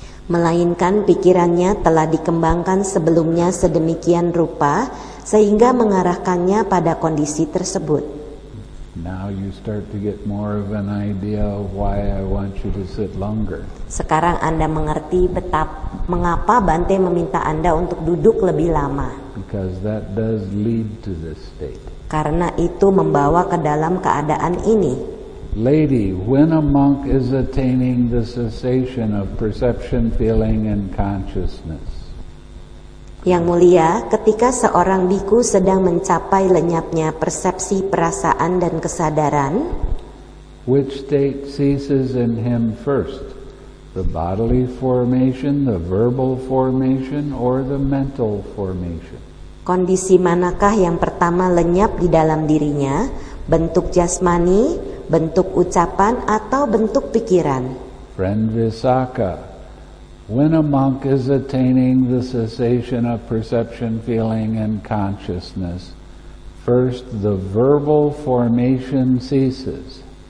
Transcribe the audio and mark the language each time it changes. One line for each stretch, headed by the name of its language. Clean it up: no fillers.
Indonesian: Melainkan pikirannya telah dikembangkan sebelumnya sedemikian rupa sehingga mengarahkannya pada kondisi tersebut.
English: Now you start to get more of an idea of why I want you to sit longer.
Indonesian: Sekarang Anda mengerti betapa mengapa Bante meminta Anda untuk duduk lebih lama.
English: Because that does lead to this state.
Indonesian: Karena itu membawa ke dalam keadaan ini.
English: Lady, when a monk is attaining the cessation of perception, feeling, and consciousness.
Indonesian: Yang mulia, ketika seorang bhikkhu sedang mencapai lenyapnya persepsi, perasaan, dan kesadaran.
English: Which state ceases in him first? The bodily formation, the verbal formation, or the mental formation?
Indonesian: Kondisi manakah yang pertama lenyap di dalam dirinya? Bentuk jasmani, bentuk ucapan, atau bentuk pikiran?
English: Friend Visakha, when a monk is attaining the cessation of perception, feeling, and consciousness, first the verbal formation ceases.